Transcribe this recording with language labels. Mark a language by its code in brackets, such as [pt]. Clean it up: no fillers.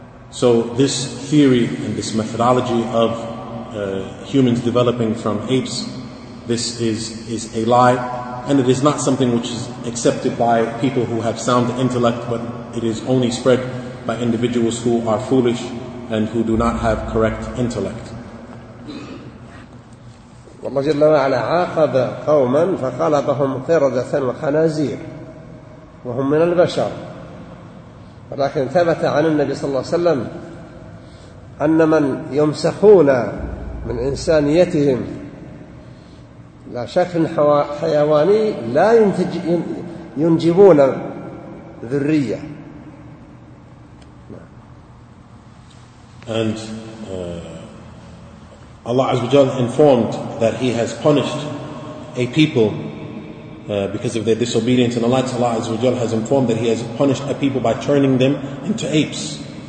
[en] So this theory and this methodology of humans developing from apes, this is a lie. And it is not something which is accepted by people who have sound intellect, but it is only spread by individuals who are foolish and who do not have correct intellect. [ar] الله جل وعلا عاقب قوما فخلقهم قردة وخنازير وهم من البشر. ولكن ثبت عن النبي صلى الله عليه وسلم أن من يمسخون من إنسانيتهم لا شكل حيواني لا ينجبون ذرية. [en] And Allah Azza wa Jalla informed that He has punished a people because of their disobedience, and Allah Azza wa Jalla has informed that He has punished a people by turning them into apes.